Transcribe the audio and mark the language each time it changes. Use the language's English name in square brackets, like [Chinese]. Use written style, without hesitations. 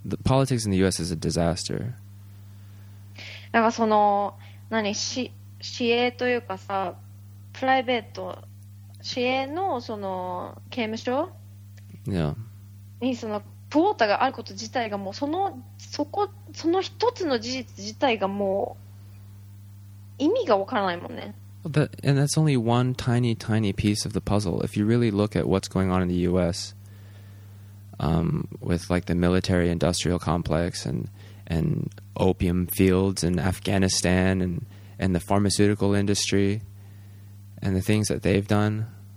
[English] The politics in the U.S. is a disaster. [Japanese] なんかその、何、市営というかさ、プライベート、市営のその刑務所、 [English] yeah. [Japanese] にそのクォータがあること自体がもう、その一つの事実自体がもう、意味がわからないもんね。 [English] And that's only one tiny, tiny piece of the puzzle. If you really look at what's going on in the U.S., with like the military industrial complex and opium fields in Afghanistan and the pharmaceutical industry and the things that they've done.